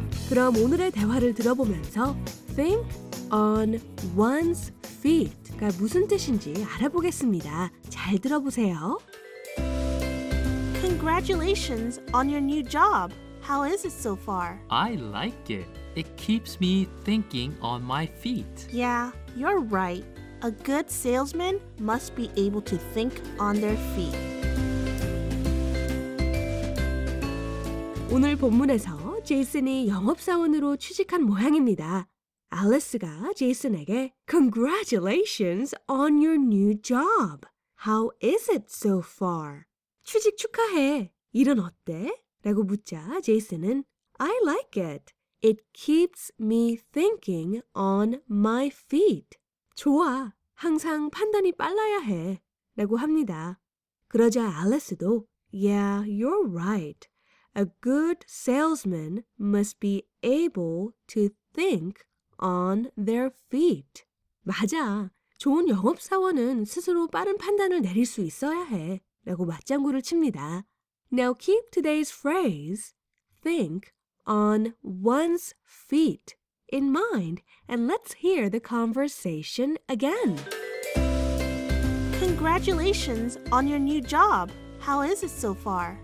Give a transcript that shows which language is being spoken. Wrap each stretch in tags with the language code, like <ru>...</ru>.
<ko>그럼 오늘의 대화를 들어보면서</ko> <en>think on one's feet</en> <ko>가 무슨 뜻인지 알아보겠습니다. 잘 들어보세요.</ko> <en>Congratulations on your new job. How is it so far? I like it. It keeps me thinking on my feet. Yeah, you're right. A good salesman must be able to think on their feet.</en> <ko>오늘 본문에서 제이슨이 영업사원으로 취직한 모양입니다. 알리스가 제이슨에게</ko> <en>Congratulations on your new job. How is it so far?</en> <ko>취직 축하해. 일은 어때? 라고 묻자 제이슨은</ko> <en>I like it. It keeps me thinking on my feet.</en> <ko>좋아. 항상 판단이 빨라야 해. 라고 합니다. 그러자 알리스도</ko> <en>Yeah, you're right. A good salesman must be able to think on their feet.</en> <ko>맞아. 좋은 영업사원은 스스로 빠른 판단을 내릴 수 있어야 해. 라고 맞장구를 칩니다.</ko> <en>Now keep today's phrase, think on one's feet, in mind, and let's hear the conversation again. Congratulations on your new job. How is it so far?</en>